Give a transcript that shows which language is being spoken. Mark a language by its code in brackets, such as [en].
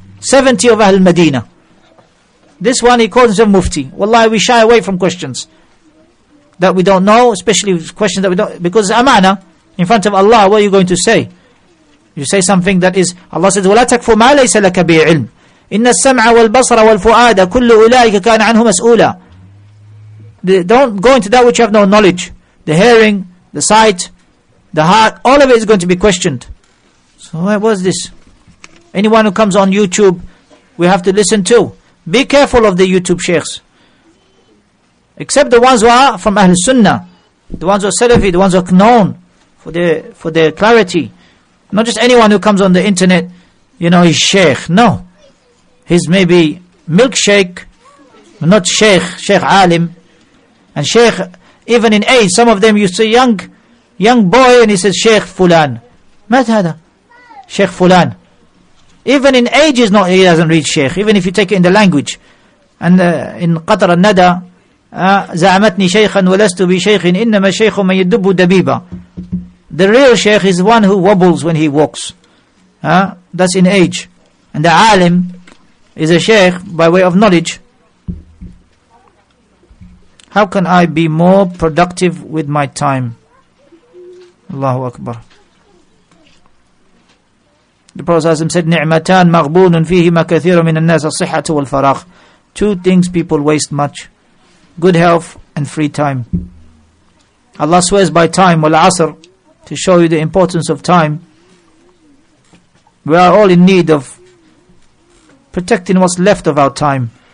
[en] 70 of Ahl Medina. This one, he calls himself Mufti. Wallahi, we shy away from questions that we don't know, especially questions that we don't, because it's amana, in front of Allah, what are you going to say? You say something that is, Allah says, [ar] وَلَا تَكْفُ مَا لَيْسَ لَكَ بِعِلْمِ إِنَّ السَّمْعَ وَالْبَصْرَ وَالْفُؤَادَ كُلُّ أُولَٰئِكَ كَانَ عَنْهُ مَسْئُولًا. [en] Don't go into that which you have no knowledge. The hearing, the sight, the heart, all of it is going to be questioned. So what was this? Anyone who comes on YouTube, we have to listen to. Be careful of the YouTube sheikhs. Except the ones who are from Ahl Sunnah. The ones who are Salafi, the ones who are known for their clarity. Not just anyone who comes on the internet, you know, he's sheikh. No. He's maybe milkshake, not sheikh, sheikh alim. And sheikh, even in age, some of them, you see young boy and he says, sheikh fulan. [ar] Mat hada? [en] Sheikh fulan. Even in age, he's not, he doesn't read sheikh, even if you take it in the language. And in Qatar al-Nada, [ar] زَعَمَتْنِي شَيْخًا وَلَسْتُ بِشَيْخٍ إِنَّمَا شَيْخُ مَنْ يَدُّبُّ دَبِيبًا. [en] The real sheikh is one who wobbles when he walks. That's in age. And the alim is a sheikh by way of knowledge. How can I be more productive with my time? Allahu Akbar. The Prophet said, [ar] نِعْمَتَان مَغْبُونٌ فِيهِمَا كَثِيرٌ مِنَ النَّاسَ الصِّحَّةُ وَالْفَرَاخِ. [en] Two things people waste much: good health and free time. Allah swears by time, wal-asr, to show you the importance of time. We are all in need of protecting what's left of our time.